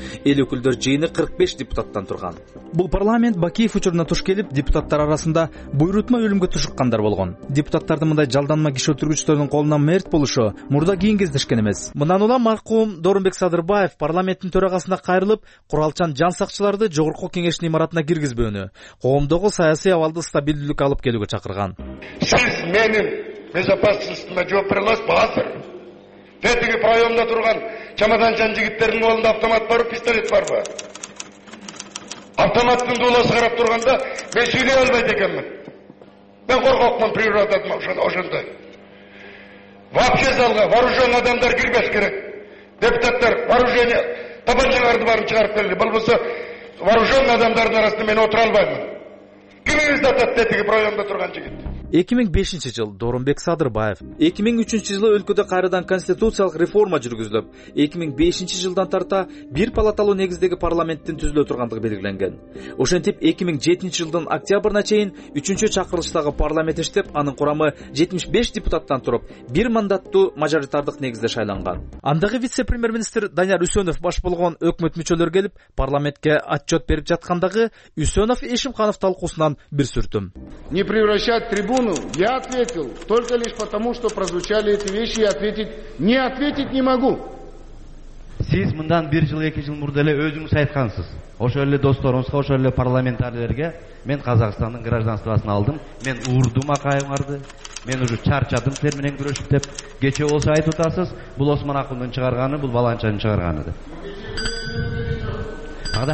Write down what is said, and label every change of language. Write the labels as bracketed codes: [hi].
[ky] Эл өкүлдөр жыйыны 45 депутаттан турган. Бул парламент Бакиев учуруна туш келип, депутаттар арасында буйрутма өлүмгө тушуккандар болгон. Депутаттардын мындай жалданма киши өлтүрүү төрүн колунан мерт болушу мурда кийин кездешкен эмес. Мындан улам маркум Дорунбек Садырбаев парламенттин төрагасына кайрылып, куралчан жан сакчыларды Жогорку Кеңештин имаратына киргизбөөнү, коомдогу саясий абалды стабилдүүлүккө алып келүүгө чакырган. Сиз менин безопасностьума жооп бере аласызбы? Тетиги проемда турган чамаданчан жигиттердин колунда автомат барбы, пистолет барбы? Автоматтын дуулосу карап турганда мен сүйлөй албайт экенмин. Мен коркокмун природадан ошондой. Вообще залга вооружен адамдар кирбеш керек. Депутаттар вооружение табанчаларды барын чыгарып берди. Болбосо вооружен адамдардын арасында мен отура албайм. Кимиңизди атат тетиги проемда турган жигит? 2005 жыл Дорунбек Садырбаев. 2003 жылы өлкөдө кайрадан конституциялык реформа жүргүзүлүп, 2005 жылдан тарта бир палаталуу негиздеги парламенттин түзүлө тургандыгы белгиленген. Ошентип 2007 жылдын октябрына чейин 3-чү чакырылыштагы парламент иштеп, анын курамы 75 депутаттан туруп, бир мандаттуу мажоритардык негизде шайланган. Андагы вице-премьер-министр Данияр Үсөнов баш болгон өкмөт мүчөлөрү келип, парламентке отчет берип жаткандагы Үсөнов Эшимханов талкуусунан бир сүртүм. [ru] Не превращать трибуну. Я ответил только лишь потому, что прозвучали эти вещи, и ответить не могу. [ky] Сиз мындан бир жыл, эки жыл мурда эле өзүңүз айткансыз. Ошол эле досторуңузга, ошол эле парламентарийлерге мен Казакстандын гражданствосун алдым, мен уурдум акайыңарды, мен уже чарчадым силер менен күрөшүп деп кечээ болсо айтып атасыз, бул Осман акындын чыгарганы, бул Баланчанын чыгарганы деп.